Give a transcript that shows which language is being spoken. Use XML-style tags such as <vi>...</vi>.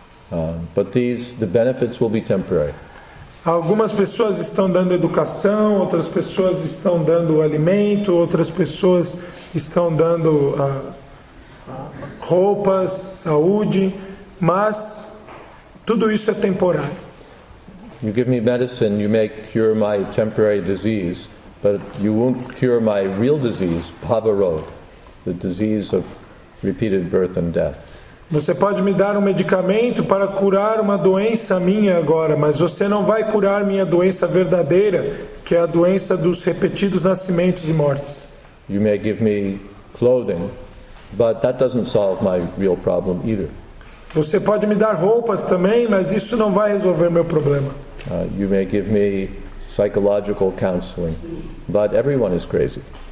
<en>But the benefits will be temporary.</en> <pt>Algumas pessoas estão dando educação, outras pessoas estão dando alimento, outras pessoas estão dando roupas, saúde, mas tudo isso é temporário.</pt> <en>You give me medicine, you may cure my temporary disease, but you won't cure my real disease, Bhavarog, the disease of repeated birth and death.</en> <pt>Você pode me dar um medicamento para curar uma doença minha agora, mas você não vai curar minha doença verdadeira, que é a doença dos repetidos nascimentos e mortes.</pt> <en>You may give me clothing, but that doesn't solve my real problem either.</en> <pt>Você pode me dar roupas também, mas isso não vai resolver meu problema.</pt> <en>You may give me psychological counseling, but everyone is crazy.</en>